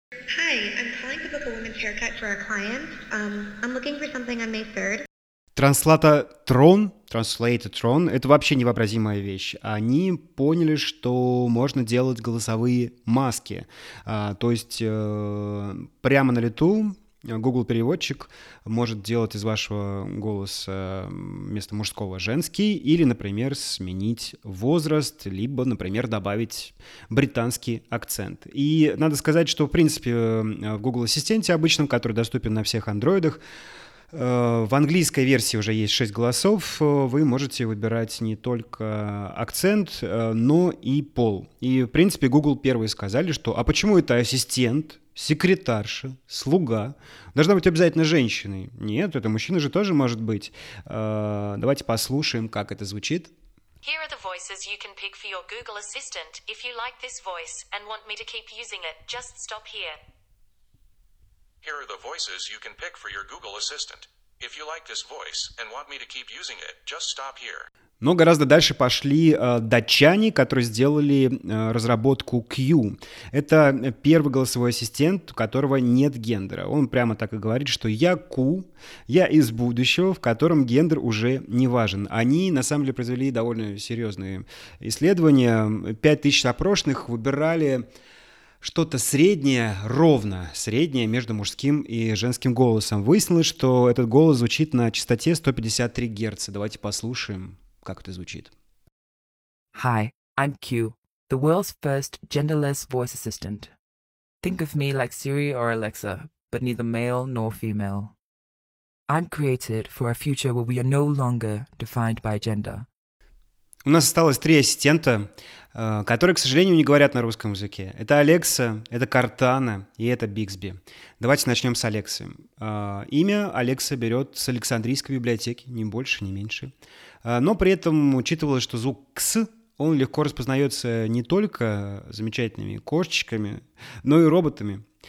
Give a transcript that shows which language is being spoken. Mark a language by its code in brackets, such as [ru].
[en] Hi, I'm calling to book a woman's haircut for a client. I'm looking for something on May 3rd. [ru] Translator Tron, это вообще невообразимая вещь. Они поняли, что можно делать голосовые маски. То есть прямо на лету Google-переводчик может делать из вашего голоса вместо мужского женский или, например, сменить возраст, либо, например, добавить британский акцент. И надо сказать, что, в принципе, в Google Ассистенте обычном, который доступен на всех андроидах, в английской версии уже есть 6 голосов, вы можете выбирать не только акцент, но и пол. И, в принципе, Google первые сказали, что «а почему это ассистент, секретарша, слуга должна быть обязательно женщиной?» Нет, это мужчина же тоже может быть. Давайте послушаем, как это звучит. [en] Here are the voices you can pick for your Google Assistant. If you like this voice and want me to keep using it, just stop here. Here are the voices you can pick for your Google Assistant. If you like this voice and want me to keep using it, just stop here. [ru] Но гораздо дальше пошли датчане, которые сделали разработку Q. Это первый голосовой ассистент, у которого нет гендера. Он прямо так и говорит, что я Q, я из будущего, в котором гендер уже не важен. Они на самом деле произвели довольно серьезные исследования. 5000 опрошенных выбирали что-то среднее, ровно среднее между мужским и женским голосом. Выяснилось, что этот голос звучит на частоте 153 Гц. Давайте послушаем, как это звучит. [en] Hi, I'm Q, the world's first genderless voice assistant. Think of me like Siri or Alexa, but neither male nor female. I'm created for a future where we are no longer defined by gender. [ru] У нас осталось 3 ассистента, которые, к сожалению, не говорят на русском языке. Это Alexa, это Cortana и это Bixby. Давайте начнем с Alexa. Имя Alexa берет с Александрийской библиотеки, ни больше, ни меньше. Но при этом учитывалось, что звук «кс», он легко распознается не только замечательными кошечками, но и роботами.